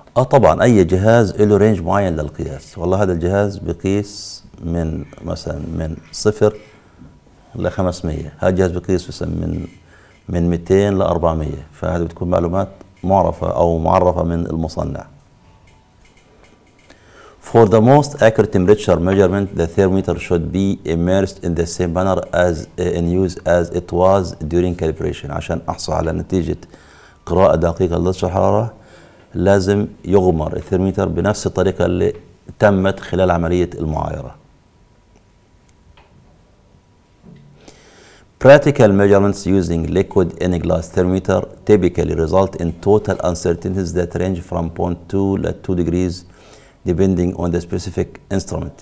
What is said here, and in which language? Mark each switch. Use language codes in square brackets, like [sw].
[ar] طبعا اي جهاز له رينج معين للقياس. والله هذا الجهاز بقيس من مثلا من 0 ل 500، هذا الجهاز بقيس من 200 ل 400، فهذا بتكون معلومات معرفه او معرفه من المصنع. [en] For the most accurate temperature measurement the thermometer should be immersed in the same manner as in use as it was during calibration. [ar] عشان احصل على نتيجه قراءه دقيقه لدرجه الحراره لازم يغمر الثيرموميتر بنفس الطريقة اللي تمت خلال عملية المعايرة. [en] Practical measurements using liquid in a glass thermometer typically result in total uncertainties that range from 0.2 to 2 degrees depending on the specific instrument.